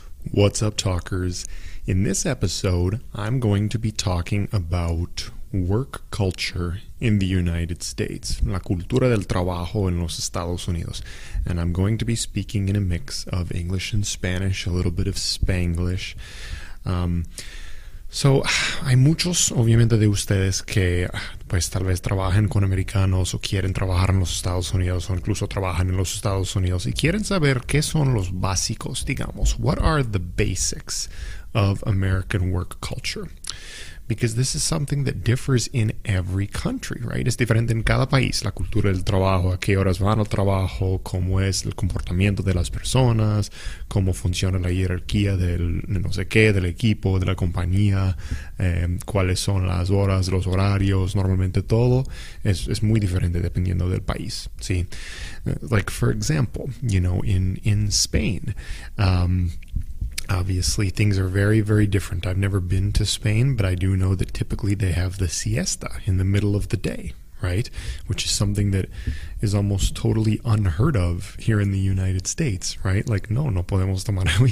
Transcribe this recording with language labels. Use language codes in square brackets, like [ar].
[en] What's up, talkers? In this episode, I'm going to be talking about work culture in the United States, [es] la cultura del trabajo en los Estados Unidos. [en] And I'm going to be speaking in a mix of English and Spanish, a little bit of Spanglish. [es] So, hay muchos, obviamente, de ustedes que pues tal vez trabajen con americanos o quieren trabajar en los Estados Unidos o incluso trabajan en los Estados Unidos y quieren saber qué son los básicos, digamos. [en] What are the basics of American work culture? Because this is something that differs in every country, right? [es] Es diferente en cada país, la cultura del trabajo, a qué horas van al trabajo, cómo es el comportamiento de las personas, cómo funciona la jerarquía del no sé qué, del equipo, de la compañía, cuáles son las horas, los horarios, normalmente todo. Es muy diferente dependiendo del país, ¿sí? [en] Like, for example, you know, in Spain, obviously, things are very, very different. I've never been to Spain, but I do know that typically they have the siesta in the middle of the day, right? Which is something that is almost totally unheard of here in the United States, right? Like, [es] no podemos tomar.